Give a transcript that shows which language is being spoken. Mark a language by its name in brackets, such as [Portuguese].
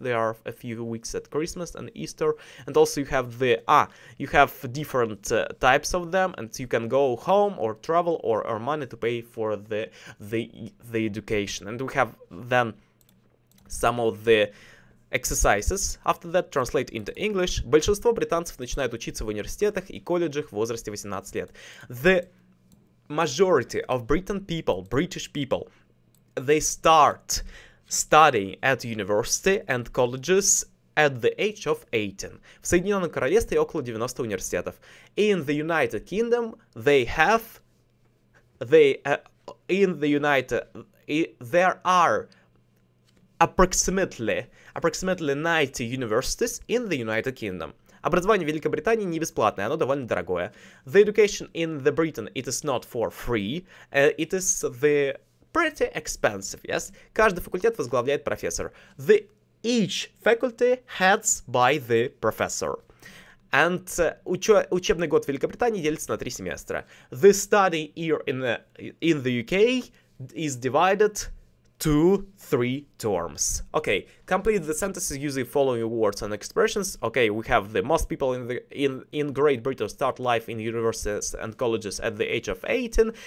[English] There are a few weeks at Christmas and Easter. And also you have the, you have different types of them, and you can go home or travel or earn money to pay for the education. And we have then some of the exercises. After that, translate into English. [Russian] Большинство британцев начинают учиться в университетах и колледжах в возрасте 18 лет. [English] The majority of British people, they start studying at university and colleges at the age of 18. [Russian] В Соединенном Королевстве около 90 университетов. [English] In the United Kingdom, there are approximately 90 universities in the United Kingdom. [Russian] Образование в Великобритании не бесплатное, оно довольно дорогое. [English] The education in the Britain, it is not for free. It is the pretty expensive, yes? [Russian] Каждый факультет возглавляет профессор. [English] The each faculty heads by the professor. [Russian] And учебный год в Великобритании делится на 3 семестра. [English] The study year in the UK is divided 2-3 terms. Okay, complete the sentences using following words and expressions. Okay, we have the most people in Great Britain start life in universities and colleges at the age of 18.